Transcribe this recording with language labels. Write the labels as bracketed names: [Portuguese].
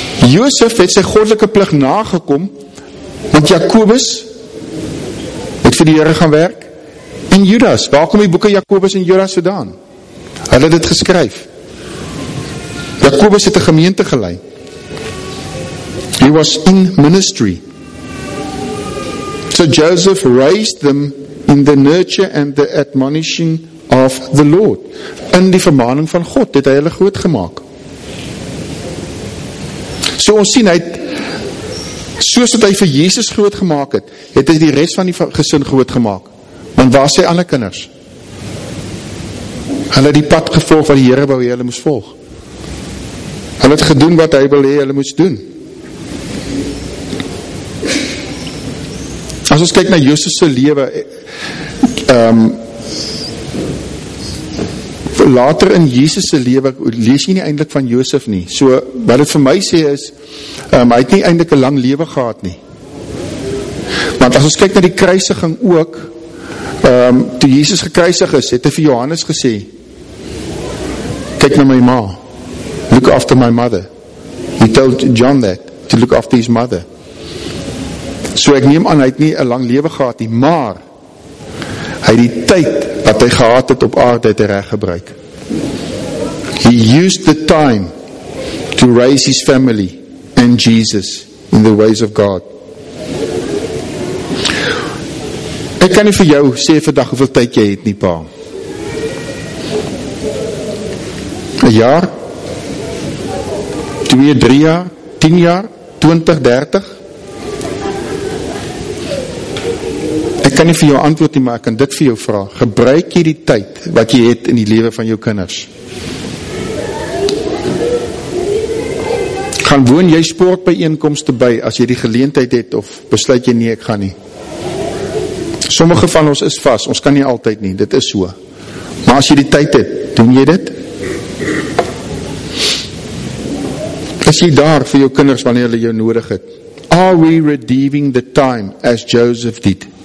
[Afrikaans] Josef het sy goddelike plig nagekom, want Jakobus het vir die Here gaan werk. En Judas, waar kom die boeke Jakobus en Judas vandaan? Hulle het dit geskryf. Jakobus het 'n gemeente gelei. [English] He was in ministry. So Joseph raised them in the nurture and the admonishing of the Lord. [Afrikaans] In die vermaning van God het hy hulle groot gemaak. So ons sien, soos wat hy vir Jesus groot gemaak het, het hy die res van die gesin groot gemaak. Want waar is sy ander kinders? Hulle het die pad gevolg wat die Here wou hê hulle moes volg. Hulle het gedoen wat hy wil hê hulle moes doen. As ons kyk na Josef se lewe, later in Jesus se lewe, lees jy nie eintlik van Josef nie. So, wat dit vir my sê is, hy het nie eintlik 'n lang lewe gehad nie. Want as ons kyk na die kruisiging ook, toe Jesus gekruisig is, het hy vir Johannes gesê, kyk na my ma, [English] look after my mother. He told John that, to look after his mother. [Afrikaans] So ek neem aan, hy het nie 'n lang lewe gehad nie, maar hy het die tyd wat hy gehad het op aarde te reg gebruik. [English] He used the time to raise his family and Jesus in the ways of God. [Afrikaans] Ek kan nie vir jou sê vandag hoeveel tyd jy het nie, pa. 1 jaar? 2, 3 jaar? 10 jaar? 20, 30? Ek kan nie vir jou antwoord nie, maar ek kan dit vir jou vra. Gebruik jy die tyd wat jy het in die lewe van jou kinders? Gaan woon jy sportbijeenkomste by as jy die geleentheid het, of besluit jy nie, ek gaan nie? Sommige van ons is vas, ons kan nie altyd nie, dit is so. Maar as jy die tyd het, doen jy dit? Is jy daar vir jou kinders wanneer hulle jou nodig het? [English] Are we redeeming the time as Joseph did?